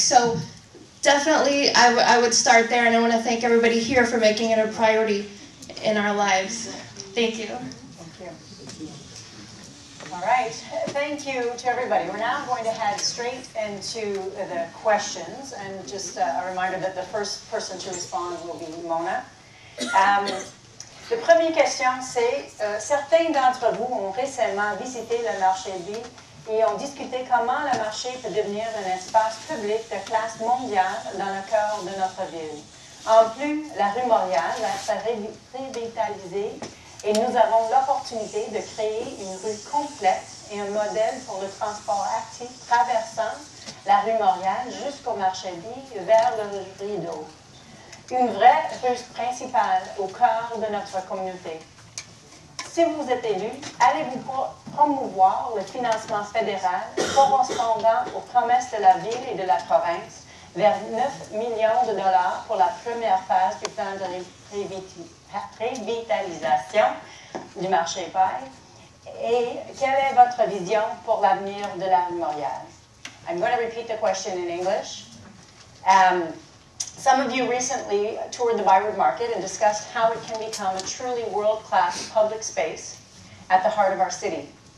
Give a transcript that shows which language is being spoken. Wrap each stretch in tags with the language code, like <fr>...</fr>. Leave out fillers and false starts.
<en>So definitely I would start there, and I want to thank everybody here for making it a priority in our lives. Thank you. Thank you. All right. Thank you to everybody. We're now going to head straight into the questions, and just a reminder that the first person to respond will be Mona.</en> <fr>La première question, c'est certains d'entre vous ont récemment visité le marché B et ont discuté comment le marché peut devenir un espace public de classe mondiale dans le cœur de notre ville. En plus, la rue Montréal s'est revitalisée et nous avons l'opportunité de créer une rue complète et un modèle pour le transport actif traversant la rue Montréal jusqu'au marché B vers le rideau. Une vraie rue principale au cœur de notre communauté. Si vous êtes élu, allez-vous promouvoir le financement fédéral correspondant aux promesses de la ville et de la province vers 9 millions de dollars pour la première phase du plan de revitalisation du marché paille? Et quelle est votre vision pour l'avenir de la rue Montréal?</fr> <en>I'm going to repeat the question in English. Some of you recently toured the Byward Market and discussed how it can become a truly world-class public space at the heart of our city.</en>